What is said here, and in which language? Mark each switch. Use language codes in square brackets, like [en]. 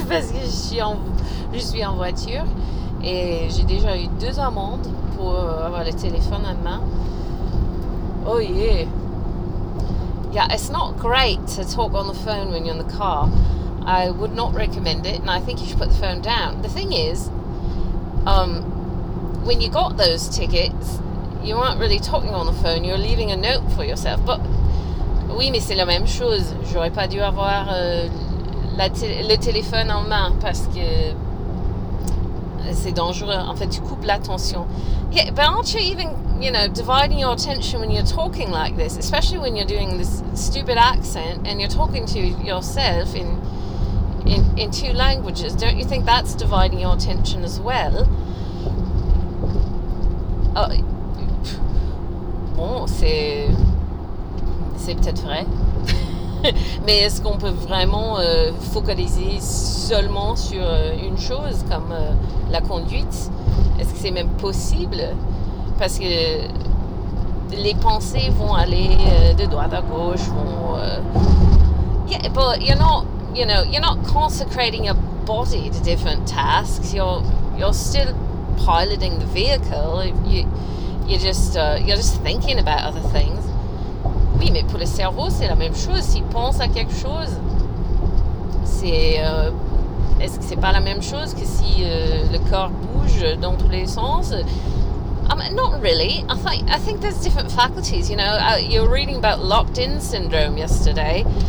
[fr] Parce que je suis en voiture et j'ai déjà eu deux amendes pour avoir le téléphone à main. [en] Oh, yeah. Yeah, it's not great to talk on the phone when you're in the car. I would not recommend it, and I think you should put the phone down. The thing is, when you got those tickets, you aren't really talking on the phone. You're leaving a note for yourself. But [fr] oui, mais c'est la même chose. J'aurais pas dû avoir le téléphone en main parce que c'est dangereux. En fait, tu coupes l'attention. [en] Yeah, but aren't you even, you know, dividing your attention when you're talking like this, especially when you're doing this stupid accent and you're talking to yourself in two languages? Don't you think that's dividing your attention as well? [fr] Bon, c'est peut-être vrai. Mais est-ce qu'on peut vraiment focaliser seulement sur une chose comme la conduite? Est-ce que c'est même possible? Parce que les pensées vont aller de droite à gauche, vont... [en] Yeah, but you're not, you know, you're not consecrating your body to different tasks. You're still piloting the vehicle. You're just thinking about other things. Oui, mais pour le cerveau, c'est la même chose. S'il pense à quelque chose, est-ce que c'est pas la même chose que si le corps bouge dans tous les sens? Not really. I think there's different faculties. You know, you were reading about locked-in syndrome yesterday.